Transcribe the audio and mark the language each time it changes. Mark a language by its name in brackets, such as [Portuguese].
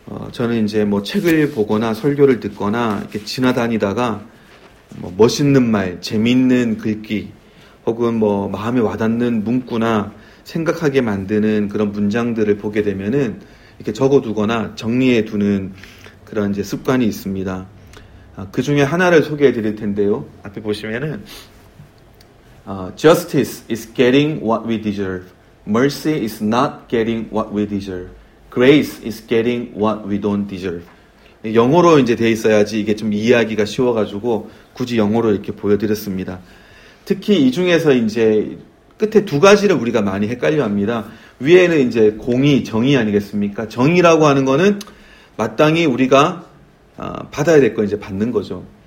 [Korean] 저는 이제 뭐 책을 보거나 설교를 듣거나 이렇게 지나다니다가 뭐 멋있는 말, 재밌는 글귀 혹은 뭐 마음에 와닿는 문구나 생각하게 만드는 그런 문장들을 보게 되면은 이렇게 적어두거나 정리해 두는 그런 이제 습관이 있습니다. 그 중에 하나를 소개해 드릴 텐데요. 앞에 보시면은 [English] justice is getting what we deserve. Mercy is not getting what we deserve. Grace is getting what we don't deserve. [Korean] 영어로 이제 돼 있어야지 이게 좀 이해하기가 쉬워가지고 굳이 영어로 이렇게 보여드렸습니다. 특히 이 중에서 이제 끝에 두 가지를 우리가 많이 헷갈려합니다. 위에는 이제 공의, 정의 아니겠습니까? 정의라고 하는 거는 마땅히 우리가 받아야 될 거 이제 받는 거죠.